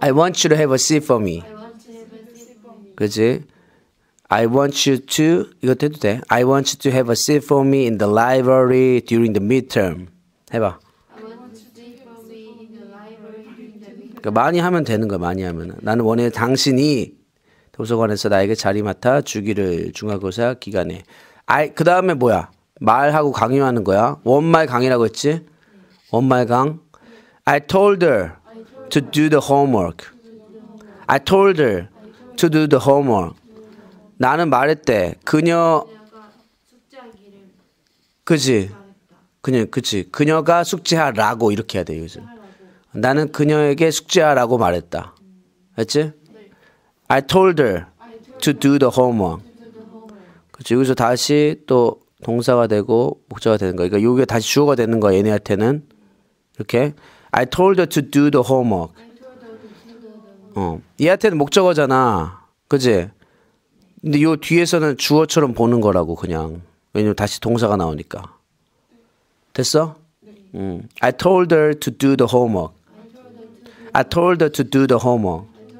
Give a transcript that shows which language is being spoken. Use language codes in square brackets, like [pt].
[en] I want you to have a seat for me. I want you to have a seat for me. [ko] 그지? [en] I want you to [ko] 이거 해도 돼? [en] I want you to have a seat for me in the library during the midterm. [ko] 해봐. [en] I want you to have a seat for me in the library during the midterm. [ko] 그 많이 하면 되는 거야. 많이 하면. 나는 원해 당신이 도서관에서 나에게 자리 맡아 주기를 중간고사 기간에. 아이 그 다음에 뭐야? 말하고 강요하는 거야? 원말 강의라고 했지? 원말강. [en] I told her to do the homework. I told her to do the homework. [ko] 나는 말했대. 그녀 그지? 그녀 그치? 그녀가 숙제하라고 이렇게 해야 돼 요즘. 나는 그녀에게 숙제하라고 말했다. 했지? [en] I told her to do the homework. [ko] 그치? 여기서 다시 또 동사가 되고 목적어가 되는 거. 그러니까 여기가 다시 주어가 되는 거. 얘네한테는. 이렇게 [en] I told her to do the homework. [ko] 어, 얘한테는 목적어잖아, 그지? 근데 요 뒤에서는 주어처럼 보는 거라고 그냥. 왜냐면 다시 동사가 나오니까. 됐어? 응. [en] I told her to do the homework. I told her to do the homework.